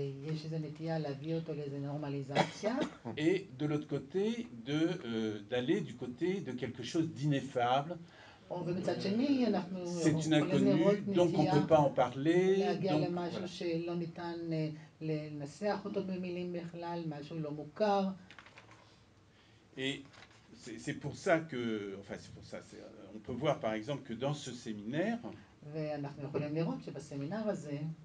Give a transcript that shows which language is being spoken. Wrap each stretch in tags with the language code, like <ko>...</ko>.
<he>יש איזו נטייה להביא אותו לאיזו נורמליזציה.</he> <fr>Et de l'autre côté, d'aller du côté de quelque chose d'ineffable.</fr> <he>ובצד שני, אנחנו...</he> <fr>C'est une inconnue, donc on ne peut pas en parler.</fr> <he>להגיע למשהו שלא ניתן לנסח אותו במילים בכלל, משהו לא מוכר.</he> <fr>Et c'est pour ça que... Enfin, c'est pour ça. On peut voir, par exemple, que dans ce séminaire...</fr> <he>ואנחנו יכולים לראות שבסמינר הזה...</he>